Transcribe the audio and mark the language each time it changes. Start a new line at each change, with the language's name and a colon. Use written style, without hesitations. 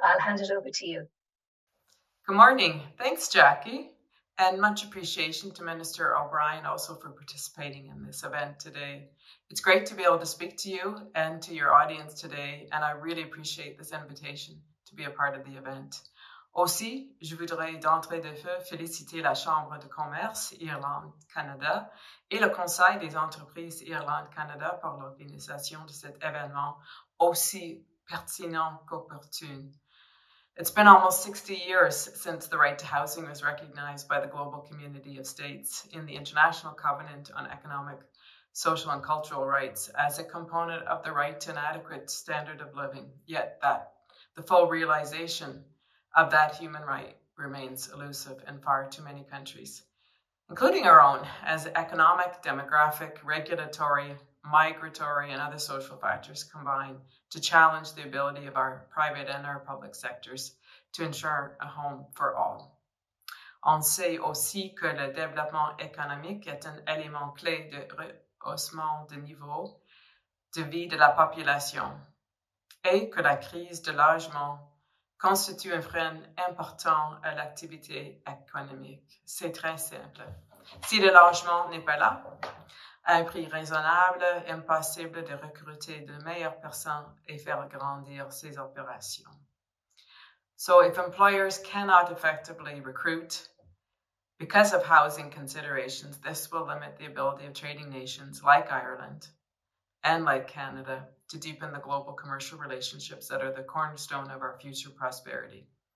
English: I'll hand it over to you. Good morning. Thanks, Jackie. And much appreciation to Minister O'Brien also for participating in this event today. It's great to be able to speak to you and to your audience today, and I really appreciate this invitation to be a part of the event.
French: Aussi, je voudrais d'entrée de feu féliciter la Chambre de commerce Irlande-Canada et le Conseil des entreprises Irlande-Canada pour l'organisation de cet événement aussi pertinent qu'opportun.
English: It's been almost 60 years since the right to housing was recognized by the global community of states in the International Covenant on Economic, Social and Cultural Rights as a component of the right to an adequate standard of living, yet that the full realization of that human right remains elusive in far too many countries, including our own, as economic, demographic, regulatory, migratory and other social factors combine to challenge the ability of our private and our public sectors to ensure a home for all.
French: On sait aussi que le développement économique est un élément clé de rehaussement de niveau de vie de la population et que la crise de logement constitue un frein important à l'activité économique. C'est très simple. Si le logement n'est pas là, à un prix raisonnable, impossible de recruter de meilleures personnes et faire grandir ses opérations.
English: So if employers cannot effectively recruit because of housing considerations, this will limit the ability of trading nations like Ireland and like Canada to deepen the global commercial relationships that are the cornerstone of our future prosperity.